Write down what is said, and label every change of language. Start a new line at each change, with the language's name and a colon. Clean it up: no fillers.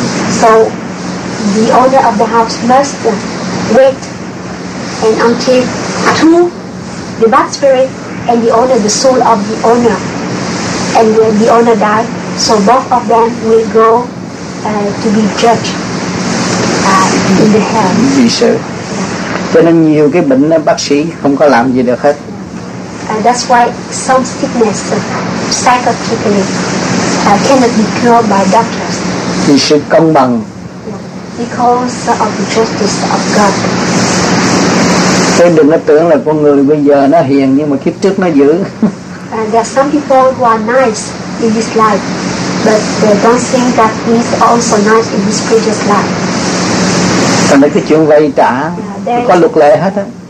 English: So the owner of the house must wait and until two, the bad spirit and the owner, the soul of the owner, and the owner die, so both of them will go to be judged in the hell.
Vietnamese: Vì sao? Cho nên nhiều cái bệnh bác sĩ không có làm gì được hết.
English: That's why some sickness psychiatrically cannot be cured by doctors.
Vietnamese: Vì sự công bằng.
English: Because of the justice of God.
Vietnamese: Thế đừng có tưởng là con người bây giờ nó hiền nhưng mà kiếp trước nó dữ.
English: There are some people who are nice in this life, but they don't think that he's also nice in his previous life.
Vietnamese: Còn mấy cái chuyện vay trả, có luật lệ hết á.